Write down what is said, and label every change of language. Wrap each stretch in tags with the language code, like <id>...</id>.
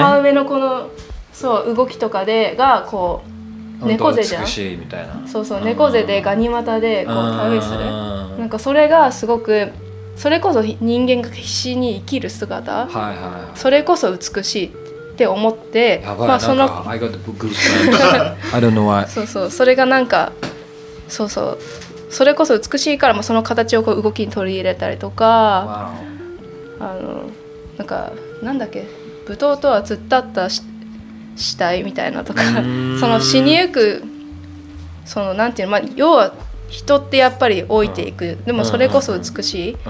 <ja>田植えのこのそう動きとかでがこう猫背じゃん美しいみたいなそうそう猫背でガニ股でこう田植えする。なんかそれがすごくそれこそ人間が必死に生きる姿、はいはいはい、それこそ美しいって思ってやばい、まあ、そのなんか</ja> <en>I got the book I don't know why</en> <ja>そうそうそれがなんかそうそうそれこそ美しいからもその形をこう動きに取り入れたりとか、</ja> <en>wow.</en> <ja>あのなんかなんだっけ舞踏とは突っ立った死体みたいなとかその死にゆくそのなんていうの、まあ、要は人ってやっぱり老いていく、うん、でもそれこそ美しい、</ja>